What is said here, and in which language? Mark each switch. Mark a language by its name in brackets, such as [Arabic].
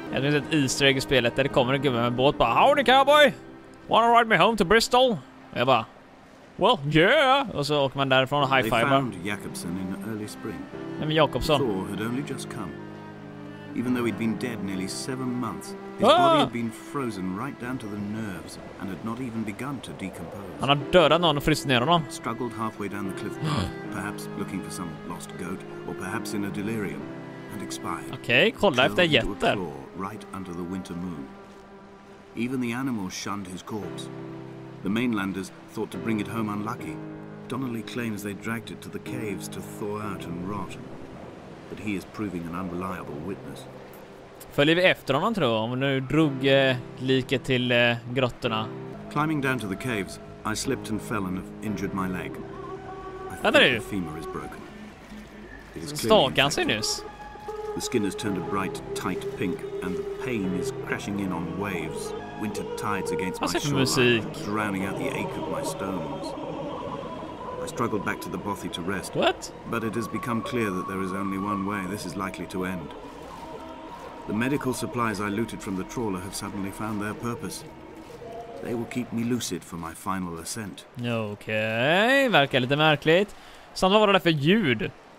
[Swedish] Jag minns ett easter egg i spelet där det kommer en gubbe med en båt. [English] Bara, howdy cowboy! Wanna ride me home to Bristol? [Swedish] Och jag bara... [English] Well, yeah! [Swedish] Och så åker man därifrån och high-fiver. [English] They found Jakobsen in early spring. [Swedish] Nej, men Jakobsson. [English] Thor had only just come. Even though he'd been dead nearly 7 months, his body had been frozen right down to the nerves and had not even begun to decompose. [Swedish] Han har dödat någon och fryst ner honom. [English] Struggled halfway down the cliff, perhaps looking for some lost goat, or perhaps in a delirium. and expired. Okay, [Swedish] kolla efter jätten. [English] Right under the winter moon. Even the animals shunned his corpse. The mainlanders thought to bring it home unlucky. Donnelly claims they dragged it to the caves to thaw out and rot. But he is proving an unreliable witness. [Swedish] Följer vi efter honom, tror jag, om nu drog liket till grottorna. [English] Climbing down to the caves, I slipped and fell and have injured my leg. I think the femur is broken. [Swedish] Stakan ser nyss. [English] The skin has turned a bright, tight pink and the pain is crashing in on waves. Winter tides against my shoreline, drowning out the ache of my stones. I struggled back to the bothy to rest. What? But it has become clear that there is only one way this is likely to end. The medical supplies I looted from the trawler have suddenly found their purpose. They will keep me lucid for my final ascent. [Swedish] Okej, verkar lite märkligt. Samt vad var det där för ljud?